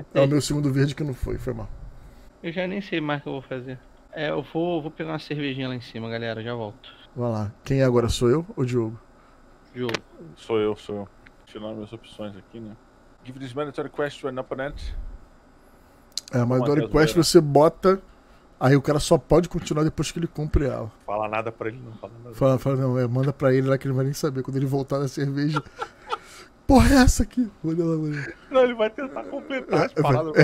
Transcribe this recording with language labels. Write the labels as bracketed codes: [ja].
[pt] É o meu segundo verde que não foi, foi mal. Eu já nem sei mais o que eu vou fazer. Eu vou pegar uma cervejinha lá em cima, galera, já volto. Vai lá. Quem é agora? Sou eu ou Diogo? Diogo. Sou eu. Tirando minhas opções aqui, né? [en] Give this mandatory quest to an opponent. [pt] É, mandatory quest você bota, aí o cara só pode continuar depois que ele cumpre ela. Fala nada pra ele, não fala nada. Fala, não, manda pra ele lá que ele vai nem saber. Quando ele voltar na cerveja. Porra, é essa aqui? Olha lá, mano. Não, ele vai tentar completar as paradas.